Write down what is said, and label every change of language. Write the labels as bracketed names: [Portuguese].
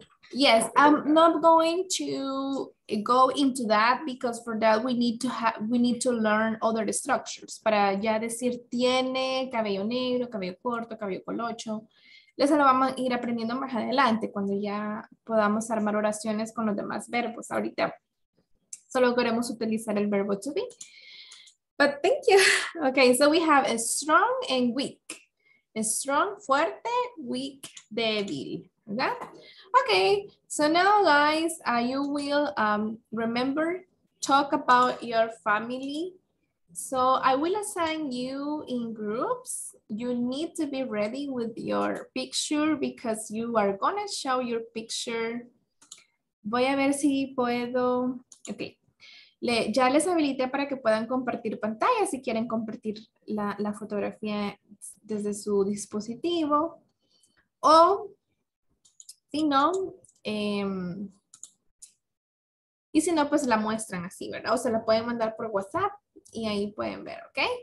[English] Yes, I'm not going to go into that because for that we need to learn other structures. [Spanish] Para ya decir tiene cabello negro, cabello corto, cabello colocho. Eso lo vamos a ir aprendiendo más adelante cuando ya podamos armar oraciones con los demás verbos. Ahorita solo queremos utilizar el verbo to be. [English] But thank you. Okay, so we have a strong and weak. A strong, fuerte, weak, débil. Okay, so now guys, you will remember, talk about your family. So I will assign you in groups. You need to be ready with your picture because you are gonna show your picture. [Spanish] Voy a ver si puedo, okay. Ya les habilité para que puedan compartir pantalla si quieren compartir la fotografía desde su dispositivo o si no, y si no, pues la muestran así, ¿verdad? O se la pueden mandar por WhatsApp y ahí pueden ver, ¿ok?